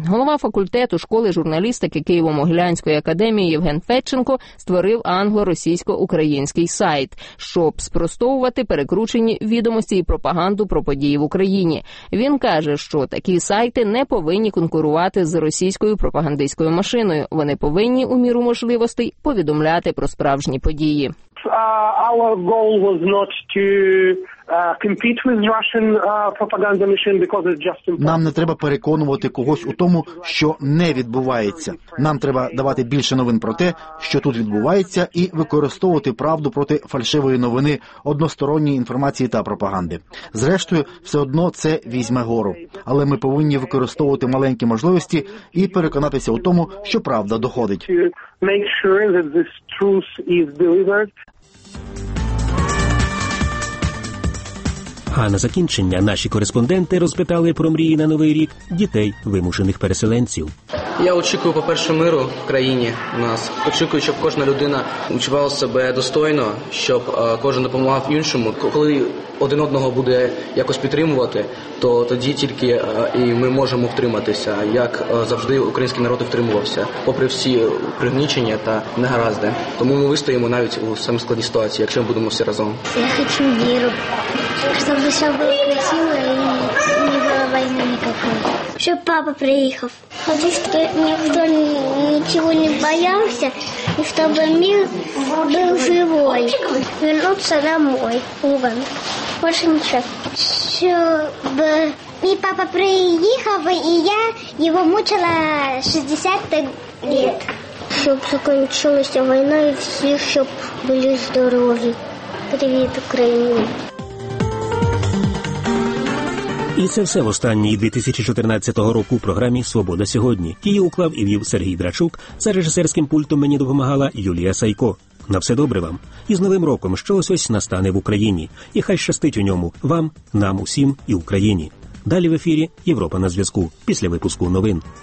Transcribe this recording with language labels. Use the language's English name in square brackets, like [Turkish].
[Ukrainian] Голова факультету школи журналістики Києво-Могилянської академії Євген Федченко створив англо-російсько-український сайт, щоб спростовувати перекручені відомості і пропаганду про події в Україні. Він каже, що такі сайти не повинні конкурувати з російською пропагандистською машиною. Вони повинні у міру можливостей повідомляти про справжні події. [English] Our goal was not to compete with Russian propaganda machine because it's just important. [Ukrainian] Нам не треба переконувати когось у тому, що не відбувається. Нам треба давати більше новин про те, що тут відбувається, і використовувати правду проти фальшивої новини, односторонньої інформації та пропаганди. Зрештою, все одно це візьме гору. Але ми повинні використовувати маленькі можливості і переконатися у тому, що правда доходить. [English] Make sure that this truth is delivered. [Ukrainian] А на закінчення наші кореспонденти розпитали про мрії на Новий рік дітей вимушених переселенців. Я очікую, по-перше, миру в країні у нас. Очікую, щоб кожна людина відчувала себе достойно, щоб кожен допомагав іншому. Коли один одного буде якось підтримувати, то тоді тільки і ми можемо втриматися, як завжди український народ втримувався, попри всі пригнічення та негаразди. Тому ми вистоїмо навіть у самій складній ситуації, якщо ми будемо всі разом. Я хочу віру. Щоб все було красиво і не було війни ніякої. Щоб папа приїхав. [Russian] хочу, чтобы никто ничего не боялся, и чтобы мир был живой. Вернуться домой, Уган. Больше ничего. Чтобы мой папа приехал, и я его мучила 60 лет. Чтоб закончилась война, и все, чтоб были здоровы. [Ukrainian] Привіт, Україні! І це все в останній 2014 року у програмі «Свобода сьогодні». Її уклав і вів Сергій Драчук. За режисерським пультом мені допомагала Юлія Сайко. На все добре вам. І з Новим роком, що ось настане в Україні. І хай щастить у ньому вам, нам усім і Україні. Далі в ефірі «Європа на зв'язку» після випуску новин.